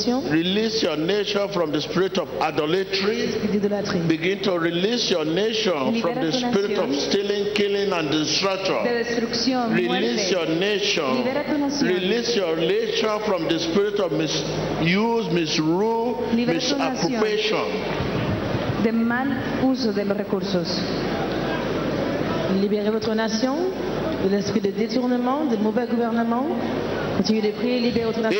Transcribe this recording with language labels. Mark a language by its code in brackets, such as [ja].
[en] Release your nation from the spirit of idolatry. Begin to release your nation from the spirit of stealing, killing, and destruction. Release your nation. Release your nation from the spirit of misuse, misrule, misappropriation. [es] De mal uso de los recursos. [fr] Libérez votre nation de l'esprit de détournement, de mauvais gouvernement. Continuez de prier, libérez votre nation.